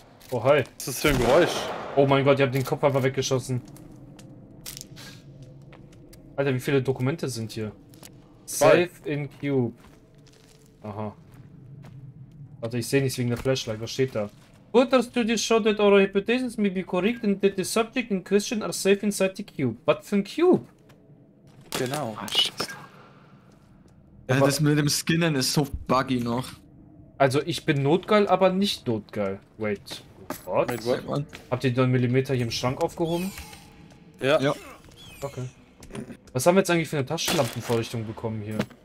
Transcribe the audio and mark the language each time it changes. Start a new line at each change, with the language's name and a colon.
English: Oh hi.
German: Was ist das für ein Geräusch? Oh mein Gott, ihr habt den Kopf einfach weggeschossen. Alter, wie viele Dokumente sind hier?
English: Safe in Cube.
German: Aha. Warte, ich sehe nichts wegen der Flashlight. Was steht da?
English: Further studies show that our hypothesis may be correct and that the subject in question are safe inside the cube. What for a cube?
German: Genau. Ach, scheiße. Das mit dem Skinnen ist so buggy noch. Also, ich bin notgeil, aber nicht notgeil.
English: Wait. What?
German: Habt ihr die 9mm hier im Schrank aufgehoben? Ja. Okay. Was haben wir jetzt eigentlich für eine Taschenlampenvorrichtung bekommen hier?